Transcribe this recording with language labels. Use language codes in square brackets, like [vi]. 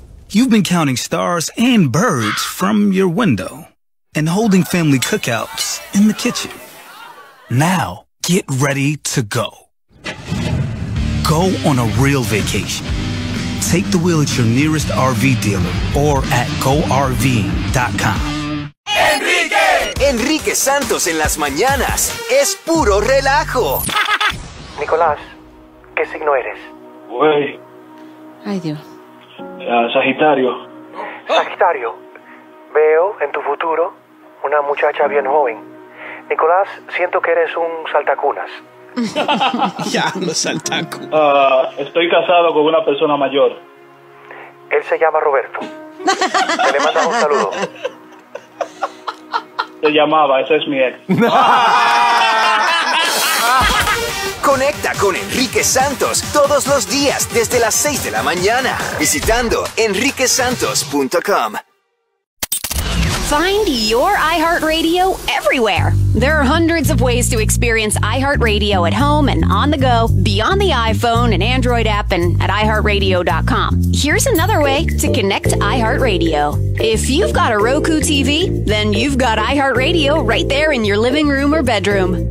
[en] You've been counting stars and birds from your window and holding family cookouts in the kitchen. Now, get ready to go. Go on a real vacation. Take the wheel at your nearest RV dealer or at GoRV.com. [es] Enrique Santos en las mañanas es puro relajo. Nicolás, ¿qué signo eres? Güey. Ay, Dios. Sagitario. Sagitario, veo en tu futuro una muchacha bien joven. Nicolás, siento que eres un saltacunas. Ya, lo saltacunas. Estoy casado con una persona mayor. Él se llama Roberto. Te le mandamos un saludo. Se llamaba, ese es mi ex. Conecta con Enrique Santos todos los días desde las 6 de la mañana visitando enriquesantos.com. [en] Find your iHeartRadio everywhere. There are hundreds of ways to experience iHeartRadio at home and on the go, beyond the iPhone and Android app and at iHeartRadio.com. Here's another way to connect to iHeartRadio. If you've got a Roku TV, then you've got iHeartRadio right there in your living room or bedroom.